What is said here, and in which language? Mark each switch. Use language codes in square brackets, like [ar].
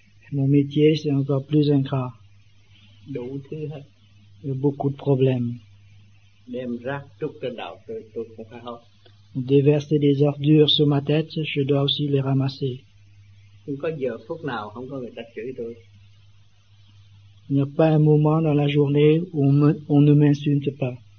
[fr] Mon métier, c'est encore plus ingrat. [vi] Đủ thứ hết. [fr] Il y a beaucoup de problèmes. [vi] Đem rác trúc trên đầu tôi cũng phải hốt. [fr] On déverse des ordures sur ma tête, je dois aussi les ramasser. [vi] Không có giờ phút nào không có người ta chửi tôi. [fr] Il n'y a pas un moment dans la journée où on ne m'insulte pas.